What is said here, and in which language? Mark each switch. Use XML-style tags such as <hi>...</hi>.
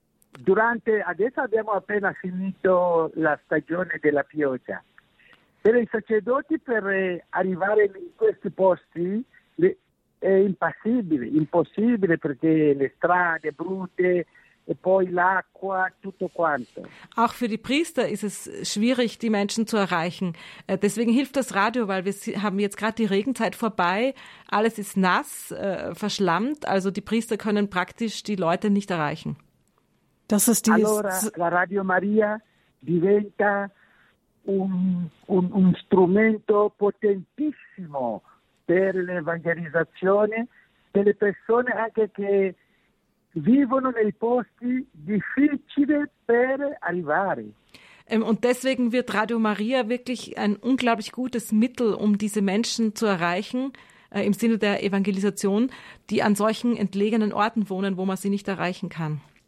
<it>Durante, adesso abbiamo appena finito la stagione della pioggia. Per i sacerdoti, per arrivare in questi posti, è impossibile, impossibile, perché le strade brutte. E poi l'acqua, tutto quanto.</it> <de>Auch für die Priester ist es schwierig, die Menschen zu erreichen. Deswegen hilft das Radio, weil wir haben jetzt gerade die Regenzeit vorbei. Alles ist nass, verschlammt. Also die Priester können praktisch die Leute nicht erreichen. Das ist die</de> <it>allora, la Radio Maria diventa un strumento potentissimo per l'evangelizzazione delle persone anche che vivono nei posti difficili per arrivare.</it> <de>Und deswegen wird Radio Maria wirklich ein unglaublich gutes Mittel, um diese Menschen zu erreichen, im Sinne der Evangelisation, die an solchen entlegenen Orten wohnen, wo man sie nicht erreichen kann.</de>